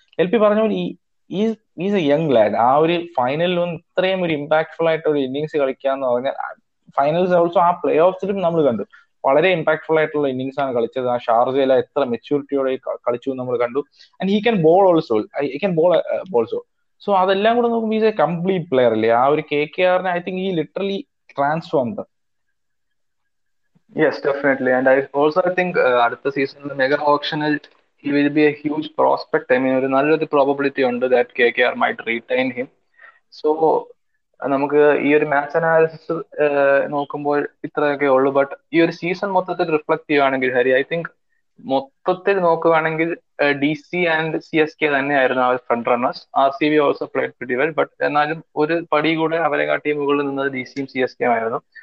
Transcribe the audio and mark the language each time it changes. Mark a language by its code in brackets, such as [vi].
[ml] L P പറഞ്ഞ പോലെ ഈ [en] Is is a young lad. [ml] ആ ഒരു ഫൈനലിൽ ഒന്ന് ഇത്രയും ഒരു ഇമ്പാക്ട്ഫുൾ ആയിട്ട് ഒരു ഇന്നിങ്സ് കളിക്കുക എന്ന് പറഞ്ഞാൽ, ഫൈനൽസ് ഓൾസോ ആ പ്ലേ ഓഫ്സിലും നമ്മൾ കണ്ടു വളരെ ഇമ്പാക്ട്ഫുൾ ആയിട്ടുള്ള ഇന്നിങ്സ് ആണ് കളിച്ചത്. ആ ഷാർജയില എത്ര മെച്യൂരിറ്റിയോടെ കളിച്ചു എന്ന് നമ്മൾ കണ്ടു. [en] and he can bowl also, [ml] he can ball also. So അതെല്ലാം കൂടെ നോക്കുമ്പോൾ ഈസ് എ കംപ്ലീറ്റ് പ്ലെയർ അല്ലേ. ആ ഒരു കെ കെ ആറിനെ [en] I think [ml] ഈ [en] Literally transformed. Yes, definitely. And I also think at the season the mega auctional, he will be a huge prospect. I mean, there is a probability under that KKR might retain him. [ml] So, നമുക്ക് ഈ ഒരു match analysis നോക്കുമ്പോൾ ഇത്രയൊക്കെ ഉള്ളു, but ഈ ഒരു season മൊത്തത്തിൽ reflect ചെയ്യുകയാണെങ്കിൽ ഹരി, [en] I think [ml] മൊത്തത്തിൽ നോക്കുകയാണെങ്കിൽ D C and C S K തന്നെയായിരുന്നു അവർ front runners. R C B [en] also played pretty well, [ml] but എന്നാലും ഒരു പടി കൂടെ അവരെക്കാട്ടി മുകളിൽ നിന്നത് ഡി സിയും സി എസ് കെയും ആയിരുന്നു.